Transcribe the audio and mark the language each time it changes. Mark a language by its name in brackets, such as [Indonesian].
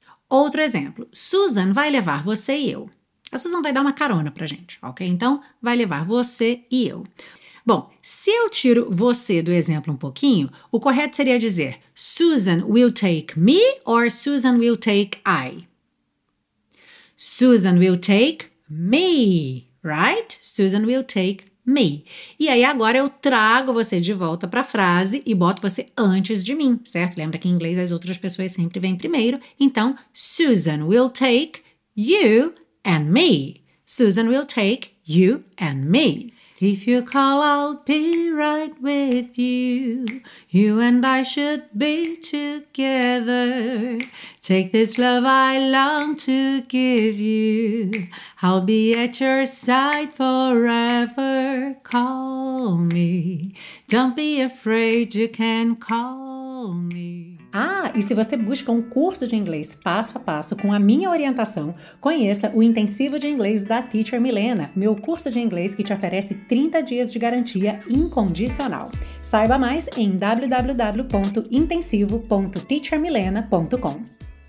[Portuguese] Outro exemplo, Susan vai levar você e eu. A Susan vai dar uma carona pra gente, ok? Então vai levar você e eu. Bom, se eu tiro você do exemplo um pouquinho, o correto seria dizer [English] Susan will take me or Susan will take I. Susan will take me, right? Susan will take me. [Portuguese] E aí agora eu trago você de volta para a frase e boto você antes de mim, certo? Lembra que em inglês as outras pessoas sempre vêm primeiro. Então, [English] Susan will take you and me. Susan will take you and me. If you call, I'll be right with you. You and I should be together. Take this love I long to give you. I'll be at your side forever. Call me. Don't be afraid, you can call me. [Portuguese] Ah, e se você busca um curso de inglês passo a passo com a minha orientação, conheça o Intensivo de Inglês da Teacher Milena, meu curso de inglês que te oferece 30 dias de garantia incondicional. Saiba mais em www.intensivo.teachermilena.com.